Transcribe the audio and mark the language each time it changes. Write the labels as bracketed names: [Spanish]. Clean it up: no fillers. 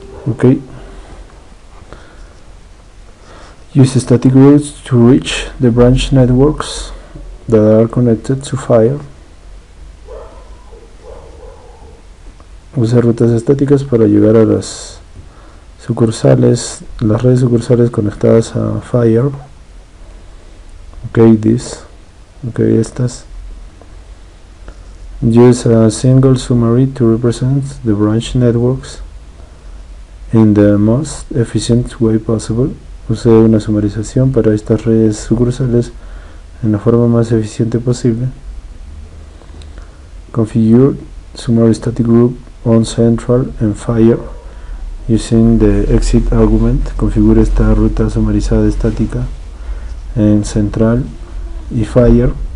[English] Ok, use static routes to reach the branch networks that are connected to fire. [Spanish] Use rutas estáticas para llegar a las sucursales, las redes sucursales conectadas a fire. [English] Ok, this. [Spanish] Ok, estas. [English] Use a single summary to represent the branch networks in the most efficient way possible. [Spanish] Use una sumarización para estas redes sucursales en la forma más eficiente posible. [English] Configure summary static group on central and fire using the exit argument. [Spanish] Configure esta ruta sumarizada estática en central y fire.